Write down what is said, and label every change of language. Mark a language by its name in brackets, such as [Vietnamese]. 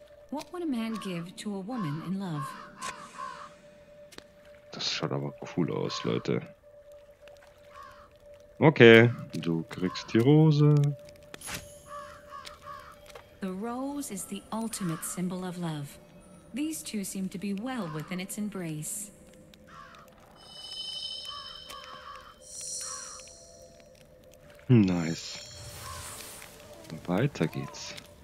[English] What would a man give to a woman in love? [German] Das schaut aber cool aus, Leute. Okay, du kriegst die Rose. [English] The rose is the ultimate symbol of love. These two seem to be well within its embrace. [German] Nice. Weiter geht's.